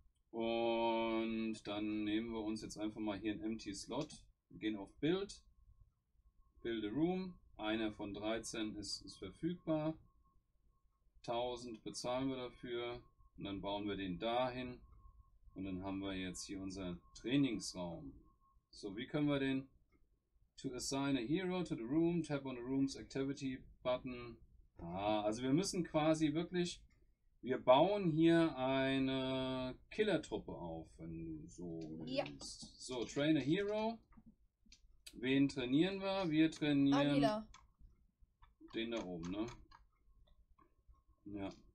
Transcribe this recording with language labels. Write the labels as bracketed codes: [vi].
[de] Und dann nehmen wir uns jetzt einfach mal hier einen Empty Slot, gehen auf Build, Build a Room. Eine von 13 ist verfügbar. 1000 bezahlen wir dafür. Und dann bauen wir den dahin. Und dann haben wir jetzt hier unseren Trainingsraum. So, wie können wir den? [en] To assign a hero to the room, tap on the room's activity button. [de] Ah, also wir müssen quasi wirklich, wir bauen hier eine Killertruppe auf, wenn du so willst. Ja. So, [en] train a hero. [de] Wen trainieren wir? Wir trainieren Avila. Den da oben, ne? Ja.